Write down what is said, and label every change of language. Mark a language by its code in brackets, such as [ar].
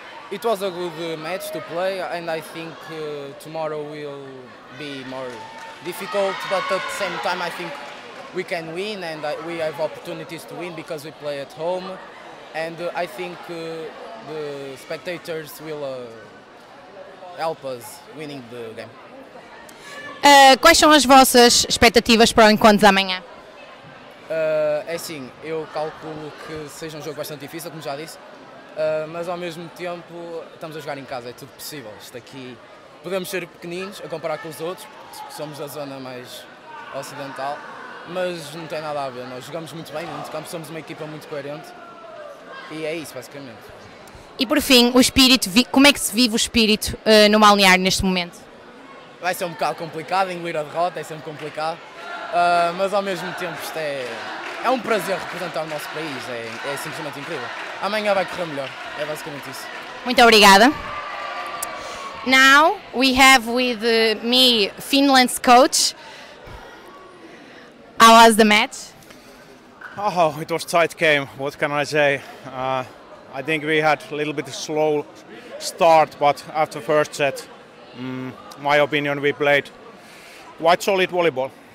[en] it was a good match to play, and I think tomorrow will be more difficult, but at the same time I think we can win, and we have opportunities to win because we play at home, and I think the spectators will help us winning the game. [pt] Quais são as vossas expectativas para o encontro de amanhã? Assim, eu calculo que seja um jogo bastante difícil, como já disse, mas ao mesmo tempo estamos a jogar em casa, é tudo possível. Isto aqui, podemos ser pequeninos a comparar com os outros, porque somos da zona mais ocidental, mas não tem nada a ver, nós jogamos muito bem, muito campo, somos uma equipa muito coerente e é isso, basicamente. E por fim, o espírito, como é que se vive o espírito no Balneário neste momento? Vai ser um bocado complicado, engolir a derrota é sempre complicado, mas ao mesmo tempo isto é um prazer representar o nosso país, é simplesmente incrível. Amanhã vai correr melhor, é basicamente isso. Muito obrigada. [en] Now we have with me Finland's coach. How was the match? Oh, it was a tight game, what can I say? I think we had a little bit of a slow start, but after the first set, my opinion, we played quite solid volleyball.